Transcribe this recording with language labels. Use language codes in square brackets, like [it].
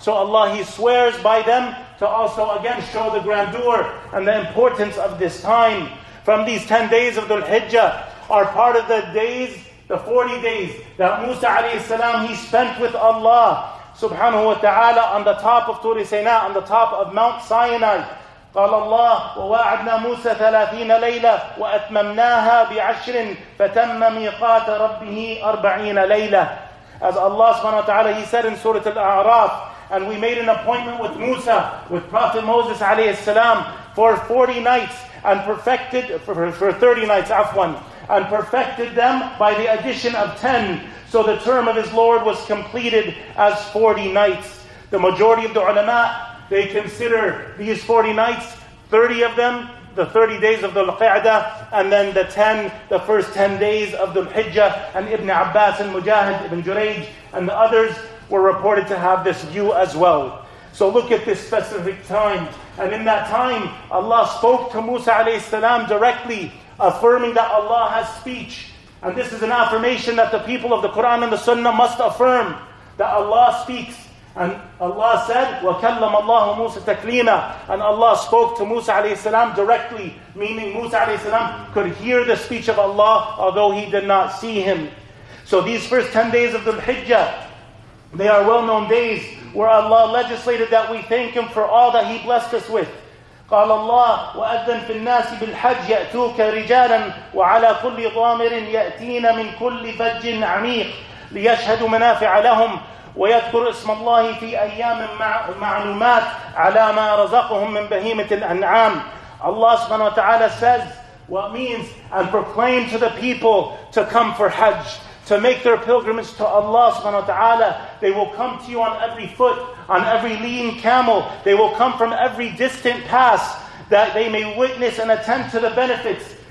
[en] So Allah, He swears by them to also again show the grandeur and the importance of this time. From these 10 days of Dhul-Hijjah are part of the days, the 40 days that Musa alayhi salam, he spent with Allah subhanahu wa ta'ala on the top of Turi Sina, on the top of Mount Sinai. [ar] قال الله ووعدنا موسى 30 ليلة وأتممناها بعشر فتم ميقات ربه 40 ليلة. [en] As Allah subhanahu wa ta'ala, He said in Surah Al-A'raf, and we made an appointment with Musa, with Prophet Moses alayhi salam, for 40 nights and perfected, for 30 nights, afwan, and perfected them by the addition of 10. So the term of his Lord was completed as 40 nights. The majority of the ulama, they consider these 40 nights, 30 of them, the 30 days of the Al-Qa'dah, and then the 10, the first 10 days of the Al-Hijjah, and Ibn Abbas and Mujahid, Ibn Juraij, and the others were reported to have this view as well. So look at this specific time. And in that time, Allah spoke to Musa alayhi salam directly, affirming that Allah has speech. And this is an affirmation that the people of the Quran and the Sunnah must affirm, that Allah speaks. And Allah said, [ar] وَكَلَّمَ اللَّهُ مُوسَى تَكْلِيمًا. [en] And Allah spoke to Musa alayhi salam directly, meaning Musa alayhi salam could hear the speech of Allah, although he did not see him. So these first 10 days of Thul-Hijjah, they are well-known days where Allah legislated that we thank Him for all that He blessed us with. [ar] قال الله وأذن في الناس بالحج يأتوك رجالا وعلى كل ضامر يأتين من كل فج عميق ليشهدوا منافع لهم ويذكر اسم الله في أيام معلومات على ما رزقهم من بهيمة الأنعام. [en] Allah subhanahu wa ta'ala says what means and proclaim to the people to come for Hajj, to make their pilgrimage to Allah subhanahu wa ta'ala. They will come to you on every foot, on every lean camel. They will come from every distant pass that they may witness and attend to the benefits.